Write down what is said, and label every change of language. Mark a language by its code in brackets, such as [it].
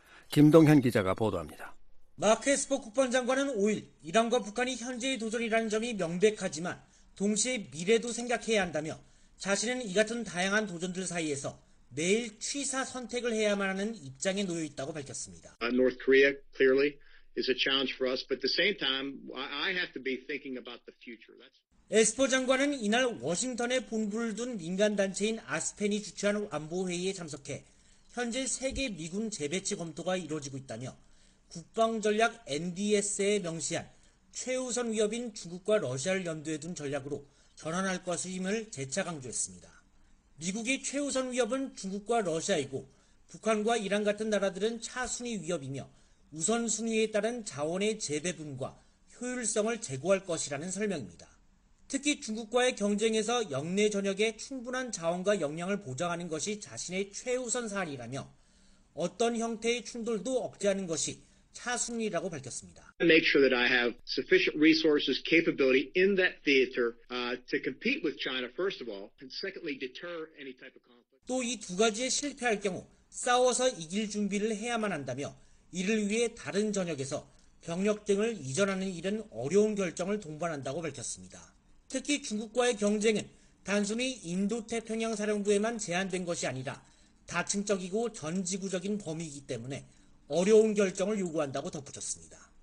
[ko] 김동현 기자가 보도합니다. 마크 에스퍼 국방장관은 5일 이란과 북한이 현재의 도전이라는 점이 명백하지만 동시에 미래도 생각해야 한다며 자신은 이 같은 다양한 도전들 사이에서 매일 취사 선택을 해야만 하는 입장에 놓여 있다고 밝혔습니다. [en] North Korea clearly is a challenge for us, but at the same time, I have to be thinking about the future. That's [ko] 에스퍼 장관은 이날 워싱턴에 본부를 둔 민간단체인 아스펜이 주최한 안보회의에 참석해 현재 세계 미군 재배치 검토가 이루어지고 있다며 국방전략 NDS에 명시한 최우선 위협인 중국과 러시아를 염두에 둔 전략으로 전환할 것임을 재차 강조했습니다. 미국의 최우선 위협은 중국과 러시아이고 북한과 이란 같은 나라들은 차순위 위협이며 우선순위에 따른 자원의 재배분과 효율성을 제고할 것이라는 설명입니다. 특히 중국과의 경쟁에서 영내 전역에 충분한 자원과 역량을 보장하는 것이 자신의 최우선 사안이라며 어떤 형태의 충돌도 억제하는 것이 차순이라고 밝혔습니다. [en] Make sure that I have sufficient resources, capability in that theater to compete with China first of all, and secondly deter any type of conflict. [ko] 또 이 두 가지에 실패할 경우 싸워서 이길 준비를 해야만 한다며 이를 위해 다른 전역에서 병력 등을 이전하는 일은 어려운 결정을 동반한다고 밝혔습니다. 특히 중국과의 경쟁은 단순히 인도태평양 사령부에만 제한된 것이 아니라 다층적이고 전지구적인 범위이기 때문에 어려운 결정을 요구한다고 덧붙였습니다.